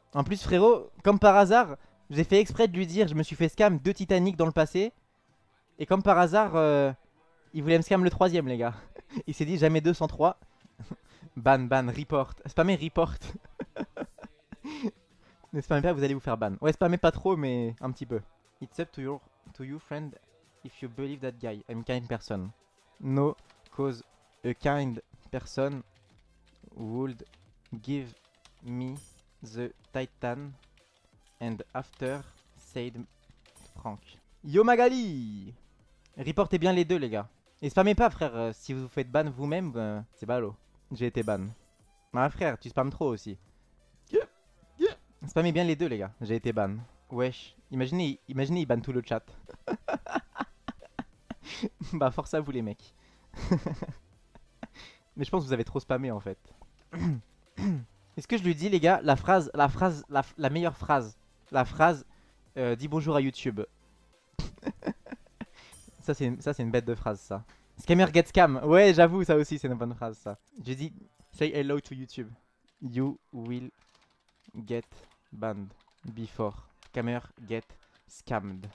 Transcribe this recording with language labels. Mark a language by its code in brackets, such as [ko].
[fr] En plus, frérot, comme par hasard... J'ai fait exprès de lui dire, je me suis fait scam deux Titanic dans le passé. Et comme par hasard, il voulait me scam le troisième, les gars. Il s'est dit jamais 2 sans 3. Ban, ban, report. Spammez report. Ne spammez pas, vous allez vous faire ban. Ouais, spammez pas trop, mais un petit peu. [en] It's up to you, friend, if you believe that guy. I'm kind person. No, cause a kind person would give me the titan and after said Frank. [fr] Yo Magali! Reportez bien les deux, les gars. Et spammez pas, frère. Si vous vous faites ban vous-même, c'est ballot. J'ai été ban. Ah, frère, tu spammes trop aussi. [en] Yeah. Yeah. [fr] Spammez bien les deux, les gars. J'ai été ban. Wesh. Imaginez, ils bannent tout le chat. Bah, force à vous, les mecs. Mais je pense que vous avez trop spammé, en fait. Est-ce que je lui dis, les gars, la meilleure phrase. La phrase, dis bonjour à YouTube. Ça c'est une bête de phrase, ça. [en] Scammer get scam. [fr] Ouais, j'avoue, ça aussi, c'est une bonne phrase, ça. Je dis, [en] say hello to YouTube. You will get banned before scammer get scammed.